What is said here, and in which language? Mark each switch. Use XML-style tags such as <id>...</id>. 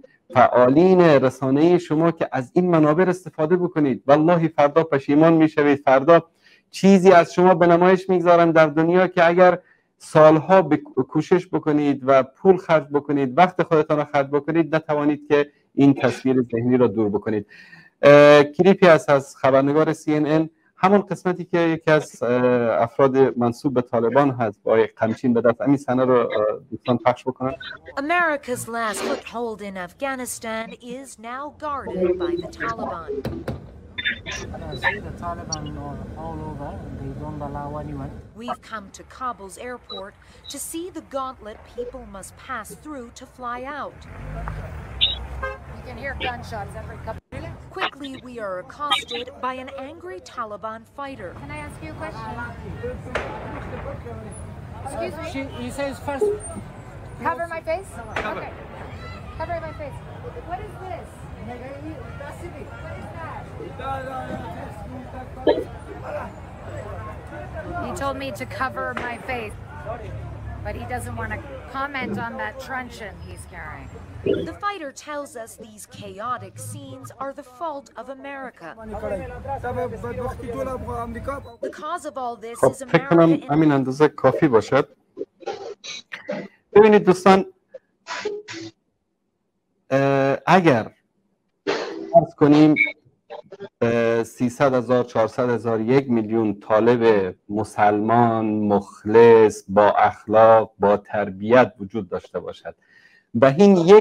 <fa>فعالین رسانه شما که از این منابع استفاده بکنید؟ والله فردا پشیمان میشوید، فردا چیزی از شما به نمایش میگذارن در دنیا که اگر سالها کوشش بکنید و پول خرج بکنید، وقت خودتان رو خرج بکنید، نتوانید که این تصویر ذهنی رو دور بکنید. کلیپی هست از خبرنگار CNN، همون قسمتی که یکی از افراد منصوب به طالبان هست با یک قمچین به دست، همین صحنه رو دوستان پخش بکنن.</fa> <en>America's last foothold in Afghanistan is now guarded by the Taliban. And I see the Taliban all over. Don't allow anyone. We've come to Kabul's airport to see the gauntlet people must pass through to fly out. You can hear gunshots every couple. Quickly, we are accosted by an angry Taliban fighter. Can I ask you a question? Excuse me. He says first. Cover my face. Cover. Okay. Cover my face. What is this? He told me to cover my face, but he doesn't want to comment on that truncheon he's carrying. The fighter tells us these chaotic scenes are the fault of America. The cause of all this is America. I mean, and the coffee was shut.</en> <fa>ببینید دوستان، اگر فرض کنیم 300,000، 400,000، 1,000,000 طالب مسلمان مخلص با اخلاق با تربیت وجود داشته باشد و این</fa>